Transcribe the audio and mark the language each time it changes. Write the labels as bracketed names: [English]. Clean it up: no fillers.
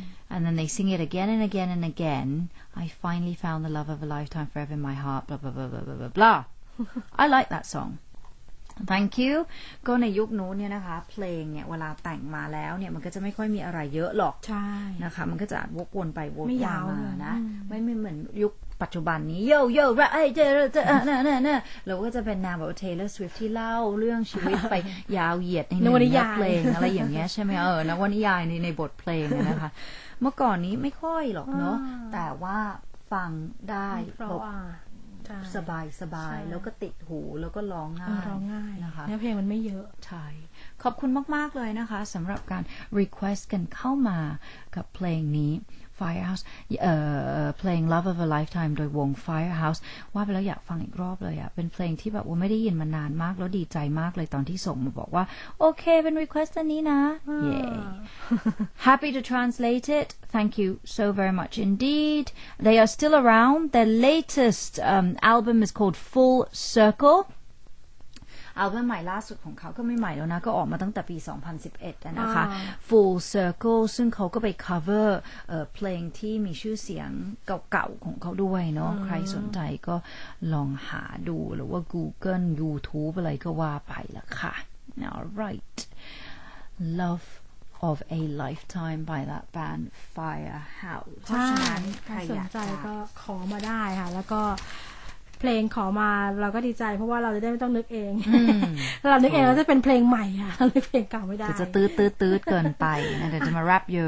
[English] And then they sing it again and again and again. I finally found the love of a lifetime forever in my heart. Blah, blah, blah, blah, blah, blah, blah. I like that song. Thank you. [Thai] ก็ในยุคนู้นเนี่ยนะคะเพลงเนี่ยเวลาแต่งมาแล้วเนี่ยมันก็จะไม่ค่อยมีอะไรเยอะหรอก ใช่ นะคะมันก็จะวกวนไปวนมานะไม่เหมือนยุคปัจจุบันนี้โยโย่ไอ้เจอเราก็จะเป็นนางแบบ Taylor Swift ที่เล่าเรื่องชีวิตไปยาวเหยียดใน นวนิยาย เพลงอะไรอย่างเงี้ยใช่ไหมนวนิยายในบทเพลงนะคะเมื่อก่อนนี้ไม่ค่อยหรอกเนาะแต่ว่าฟังได้ เพราะว่า สบายสบายแล้วก็ติดหูแล้วก็ร้องง่าย ร้องง่าย นะคะ เนื้อเพลงมันไม่เยอะ ใช่ขอบคุณมากๆเลยนะคะสำหรับการ request กันเข้ามากับเพลงนี้ Firehouse เพลง Love of a Lifetime โดยวง Firehouse ว่าไปแล้วอยากฟังอีกรอบเลยอ่ะเป็นเพลงที่แบบว่าไม่ได้ยินมานานมากแล้วดีใจมากเลยตอนที่ส่งมาบอกว่าโอเคเป็น request นี้นะเย้ [English] Happy to translate itThank you so very much indeed. They are still around. Their latest album is called Full Circle. [Thai] Album ใหม่ล่าสุดของเขาก็ไม่ใหม่แล้วนะก็ออกมาตั้งแต่ปี2011นะคะ Full Circle ซึ่งเขาก็ไป cover เพลงที่มีชื่อเสียงเก่าๆของเขาด้วยเนาะ mm. ใครสนใจก็ลองหาดูหรือว่า Google YouTube อะไรก็ว่าไปละค่ะ [English] All right. LoveOf a Lifetime by that band Firehouse [Thai] เพราะฉะนั้นใครสนใจก็ขอมาได้ค่ะแล้วก็เพลงขอมาเราก็ดีใจเพราะว่าเราจะได้ไม่ต้องนึกเองถ้าเรานึกเองแล้วจะเป็นเพลงใหม่ค่ะเราเลยเพลงเก่าไม่ได้ จะตื้อๆๆเกินไปนะเดี๋ยวจะมาแรปอยู